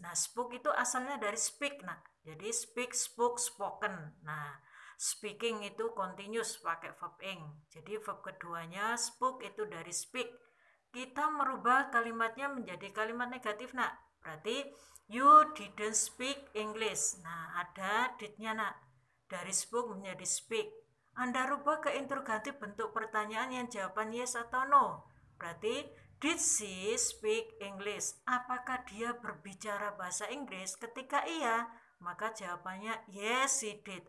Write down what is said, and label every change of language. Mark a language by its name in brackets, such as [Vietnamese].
[Indonesian] Nah, spoke itu asalnya dari speak. Nah, jadi speak, spoke, spoken. Nah, speaking itu continuous pakai verb ing. Jadi verb keduanya spoke itu dari speak. Kita merubah kalimatnya menjadi kalimat negatif, Nak. Berarti [English] you didn't speak English. [Indonesian] Nah, ada did-nya, Nak. dari spoke menjadi speak. Anda rubah ke interrogatif bentuk pertanyaan yang jawaban yes atau no. Berarti, [English] did she speak English? [Indonesian] Apakah dia berbicara bahasa Inggris? Ketika iya, maka jawabannya [English] yes, she did.